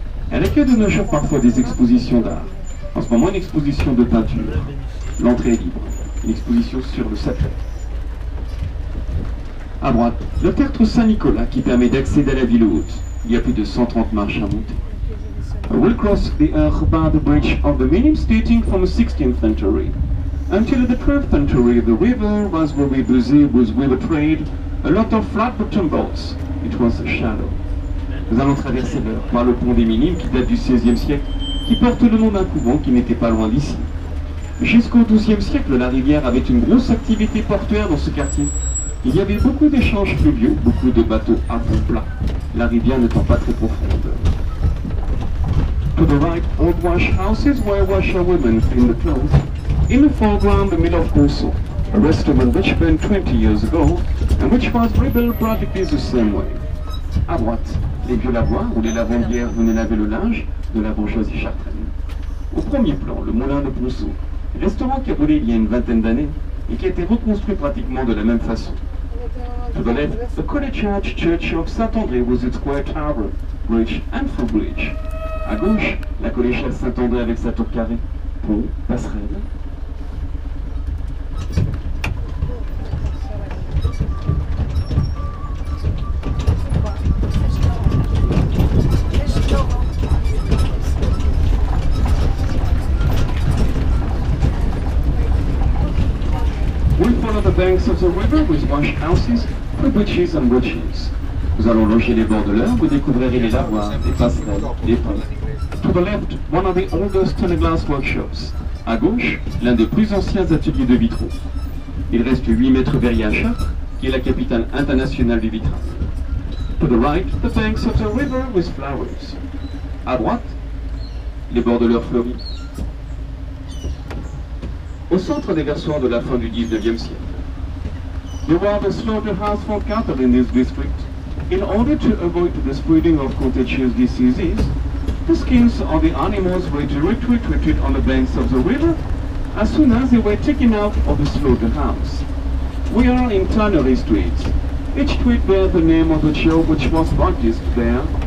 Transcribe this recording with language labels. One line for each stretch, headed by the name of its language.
French: Elle accueille de nos jours parfois des expositions d'art. En ce moment, une exposition de peinture. L'entrée est libre. Une exposition sur le sapin. À droite, le tertre Saint-Nicolas qui permet d'accéder à la ville haute. Il y a plus de 130 marches à monter.
English: We'll cross the Ur by the bridge of the Minims dating from the 16th century. Until the 12th century, the river was very busy with river trade, a lot of flat bottom boats. It was shallow.
French: Nous allons traverser l'Ur par le pont des Minims qui date du 16e siècle, qui porte le nom d'un couvent qui n'était pas loin d'ici. Jusqu'au 12e siècle, la rivière avait une grosse activité portuaire dans ce quartier. Il y avait beaucoup d'échanges fluviaux, beaucoup de bateaux à fond plat, la rivière n'étant pas très profonde.
English: To the right, old wash houses where washerwomen clean the clothes. In the foreground, the mill of Corso, a restaurant which burned 20 years ago and which was rebuilt practically the same way.
French: À droite, les vieux lavoirs où les lavandières venaient laver le linge de la bourgeoisie chartraine. Au premier plan, le moulin de Corso, restaurant qui a brûlé il y a une vingtaine d'années et qui a été reconstruit pratiquement de la même façon.
English: To the left, the collegiate church of Saint-André with its square tower, bridge and full bridge.
French: À gauche, la collégiale Saint-André avec sa tour carrée, pont, passerelle.
English: We follow the banks of the river with wash houses, with bridges and bridges.
French: Nous allons longer les bords de l'Eure, vous découvrirez les lavoirs, les passerelles, les ponts.
English: To the left, one of the oldest stained glass workshops.
French: À gauche, l'un des plus anciens ateliers de vitraux. Il reste 8 mètres verriers à Chartres, qui est la capitale internationale du vitrail.
English: To the right, the banks of the river with flowers.
French: À droite, les bords de l'Eure fleuris. Au centre des versoirs de la fin du 19e siècle.
English: There were the slaughterhouse for cattle in this district. In order to avoid the spreading of contagious diseases, the skins of the animals were directly treated on the banks of the river as soon as they were taken out of the slaughterhouse. We are in Tannery Street. Each street bears the name of the job which was practiced there.